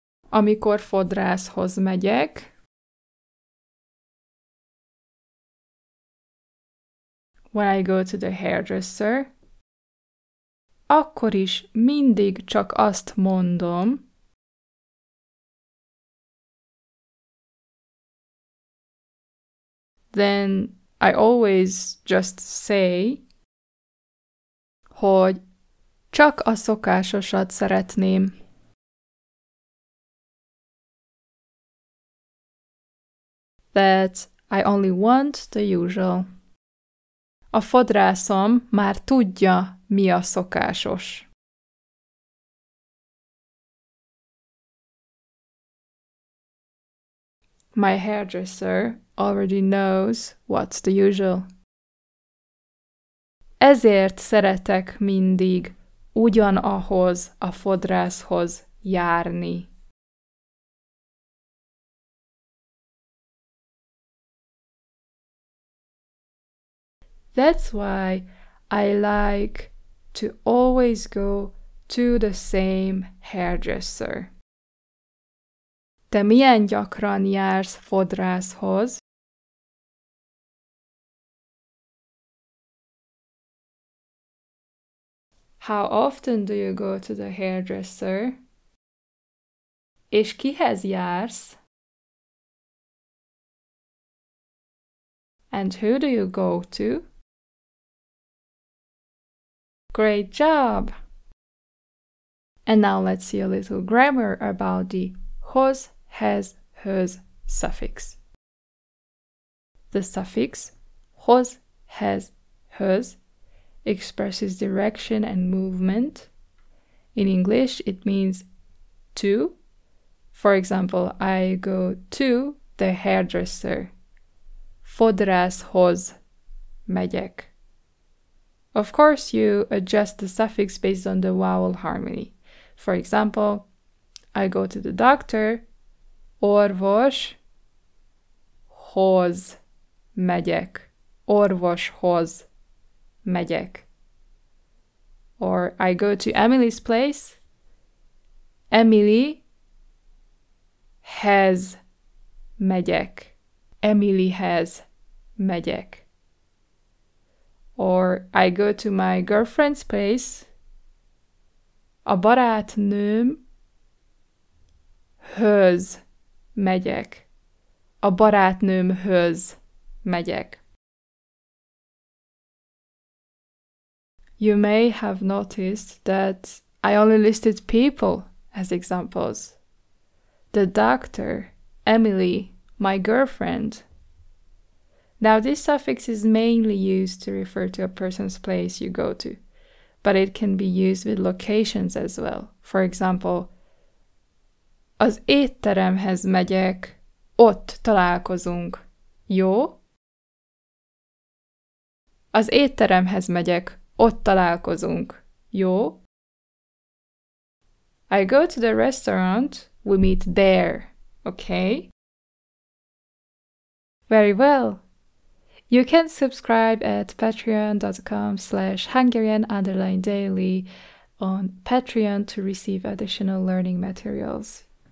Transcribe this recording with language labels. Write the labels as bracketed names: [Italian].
[Hungarian] Amikor fodrászhoz megyek, [English] when I go to the hairdresser, [Hungarian] akkor is mindig csak azt mondom, [English] then I always just say, [Hungarian] hogy csak a szokásosat szeretném. [English] That I only want the usual. [Hungarian] A fodrászom már tudja, mi a szokásos. [English] My hairdresser already knows what's the usual. [Hungarian] Ezért szeretek mindig ugyanahhoz a fodrászhoz járni. [English] That's why I like to always go to the same hairdresser. [Hungarian] Te milyen gyakran jársz fodrászhoz? [English] How often do you go to the hairdresser? [Hungarian] És kihez jársz? [English] And who do you go to? Great job! And now let's see a little grammar about the hoz, has, hers suffix. The suffix hoz, has, hers expresses direction and movement. In English, it means to. For example, I go to the hairdresser. [Hungarian] Fodrászhoz megyek. [English] Of course, you adjust the suffix based on the vowel harmony. For example, I go to the doctor, [Hungarian] orvoshoz megyek, orvoshoz megyek. [English] Or I go to Emily's place, [Hungarian] Emilyhez megyek, Emilyhez megyek. [English] Or I go to my girlfriend's place, [Hungarian] a barátnőmhöz megyek, a barátnőmhöz megyek. [English] You may have noticed that I only listed people as examples. The doctor, Emily, my girlfriend. Now, this suffix is mainly used to refer to a person's place you go to. but it can be used with locations as well. For example, [Hungarian] az étteremhez megyek, ott találkozunk. Jó? Az étteremhez megyek, ott találkozunk. Jó? [English] I go to the restaurant, we meet there. Okay? Very well. You can subscribe at patreon.com/Hungarian_daily on Patreon to receive additional learning materials.